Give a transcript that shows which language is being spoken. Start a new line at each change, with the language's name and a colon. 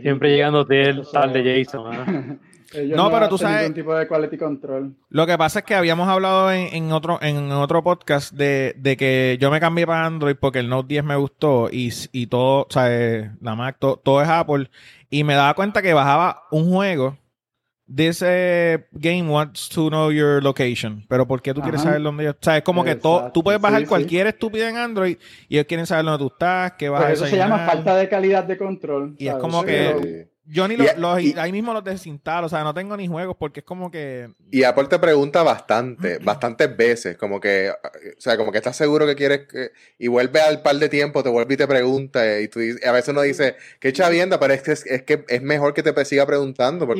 Spanish: Siempre llegando de él, tal de Jason. No, pero tú sabes... un tipo de quality control. Lo que pasa es que habíamos hablado en otro podcast de que yo me cambié para Android porque el Note 10 me gustó y todo, o sea, la Mac, todo es Apple. Y me daba cuenta que bajaba un juego
English: this game wants to know your location.
Spanish: Pero ¿por qué tú quieres saber dónde yo? O sea, es como que tú puedes bajar cualquier estúpida en Android y ellos quieren saber dónde tú estás, qué vas a desayunar. Eso se llama falta de calidad de control. Y es como que... Yo ni ahí mismo los desinstalo, o sea, no tengo ni juegos porque es como que... Y Apple te pregunta bastantes veces, como que, o sea, como que estás seguro que quieres, y vuelve al par de tiempo, te vuelve y te pregunta, y tú y a veces uno dice, qué chavienda, pero es que es mejor que te siga preguntando, porque